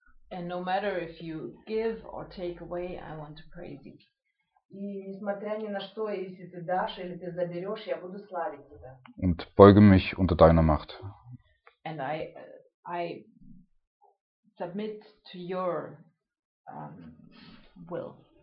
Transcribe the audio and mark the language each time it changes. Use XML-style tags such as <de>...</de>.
<en>And no matter if you give or take away, I want to praise you.</en> <ru>И несмотря ни на что, если ты дашь или ты заберешь, я буду славить тебя.</ru> <de>Und beuge mich unter deiner Macht.</de> <en>And I submit to your will.</en>